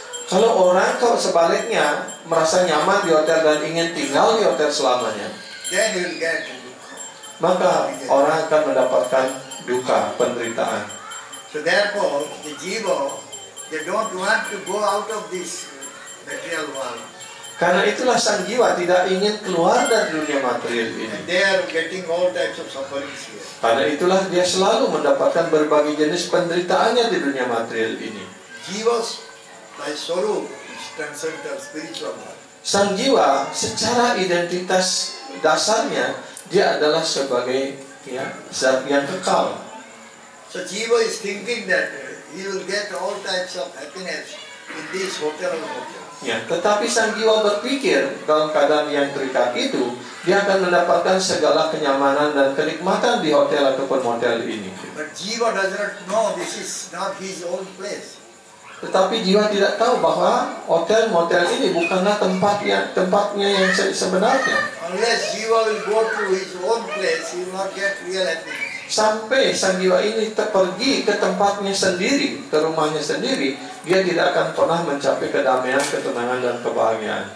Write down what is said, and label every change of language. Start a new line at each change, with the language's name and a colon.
Indonesian: kalau orang kalau sebaliknya merasa nyaman di hotel dan ingin tinggal di hotel selamanya,
English: then you'll get dukkha.
Indonesian: Maka orang akan mendapatkan duka, penderitaan.
English: So therefore, the jiva, they don't want to go out of this material world.
Indonesian: Karena itulah sang jiwa tidak ingin keluar dari dunia material ini.
English: And they are getting all types of sufferings here.
Indonesian: Karena itulah dia selalu mendapatkan berbagai jenis penderitaannya di dunia material ini.
English: Jivas by swarup is transcendental spiritual world.
Indonesian: Sang jiwa secara identitas dasarnya dia adalah sebagai ya, zat yang kekal.
English: So jiva is thinking that he will get all types of happiness in this hotel or hotel.
Indonesian: Ya, tetapi sang jiwa berpikir dalam keadaan yang terikat itu dia akan mendapatkan segala kenyamanan dan kenikmatan di hotel ataupun motel ini.
English: But jiva does not know this is not his own place.
Indonesian: Tetapi jiwa tidak tahu bahwa hotel motel ini bukanlah tempatnya yang sebenarnya.
English: Unless jiva will go to his own place, he will not get real happiness.
Indonesian: Sampai sang jiwa ini pergi ke tempatnya sendiri, ke rumahnya sendiri, dia tidak akan pernah mencapai kedamaian, ketenangan dan kebahagiaan.